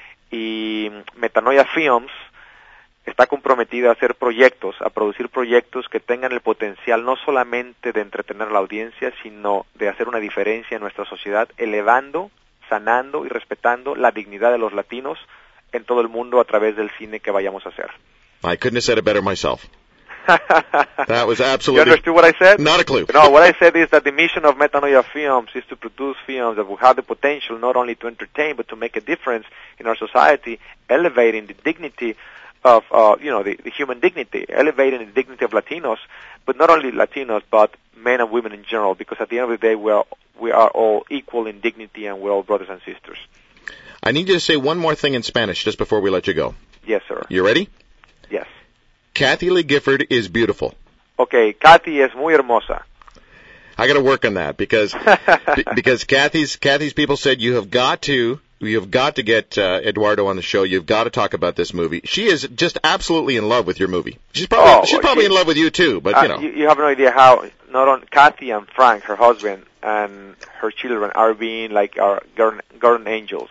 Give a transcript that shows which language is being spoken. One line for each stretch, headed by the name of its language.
Spanish: Y Metanoia Films está comprometida a hacer proyectos, a producir proyectos que tengan el potencial no solamente de entretener a la audiencia, sino de hacer una diferencia en nuestra sociedad, elevando, sanando y respetando la dignidad de los latinos en todo el mundo a través del cine que vayamos a hacer.
English: I couldn't have said it better myself. That was absolutely... You understood what I said? Not a clue. No, what I said is that the mission of Metanoia Films is to produce films that will have the potential not only to entertain, but to make a difference in our society, elevating the dignity of, you know, the human dignity, elevating the dignity of Latinos, but not only Latinos, but men and women in general, because at the end of the day, we are all equal in dignity and we're all brothers and sisters. I need you to say one more thing in Spanish just before we let you go. Yes, sir. You ready? Yes. Kathy Lee Gifford is beautiful.
Spanish: Okay, Kathy es muy hermosa.
English: I got to work on that because because Kathy's people said you have got to get Eduardo on the show. You've got to talk about this movie. She is just absolutely in love with your movie. She's probably in love with you too. But you know, you have no idea how not on Kathy and Frank, her husband and her children, are being like our garden angels.